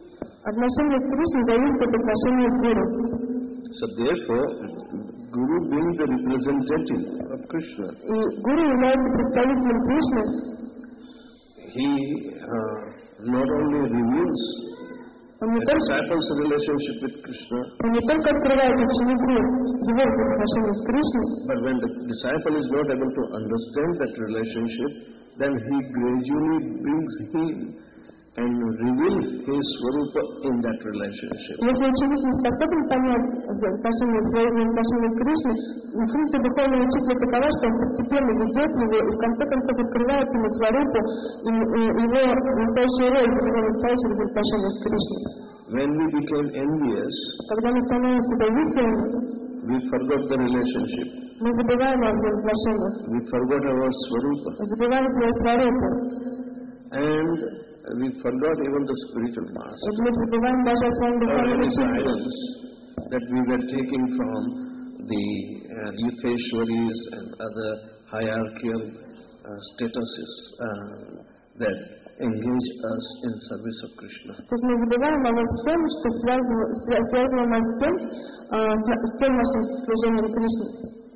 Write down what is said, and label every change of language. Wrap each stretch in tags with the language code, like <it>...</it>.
<ru>Отношения с Кришной зависят от отношения с Гуру.</ru> <en>So therefore, Guru being the representative of Krishna.</en> <ru>И Гуру является представителем Кришны.</ru> <en>He not only reveals the disciples' relationship with Krishna.</en> <ru>Он не только открывает ученику его отношения с Кришной.</ru> <en>But when the disciple is not able to understand that relationship, then he gradually brings him and reveals his swarupa in that relationship.</en> <ru>Если ученик не способен понять отношения с Кришной, функция духовного учителя такова, что он постепенно ведет его и в конце концов открывает ему свару и его настоящую роль, его настоящие отношения с Кришной.</ru> <en>When we became envious,</en> <ru>когда мы становимся зависимыми,</ru> <en>we forgot the relationship.</en> <ru>Мы забываем о отношениях.</ru> <en>We forgot our swarupa.</en> <ru>Мы забываем свою свару.</ru> <en>And we forgot even the spiritual master. Or any guidance that we were taking from the Yukteswaris and other hierarchical statuses that engage us in service of Krishna.</en> <ru>То есть мы забываем обо всем, что связывало нас с тем нашим служением Кришне.</ru>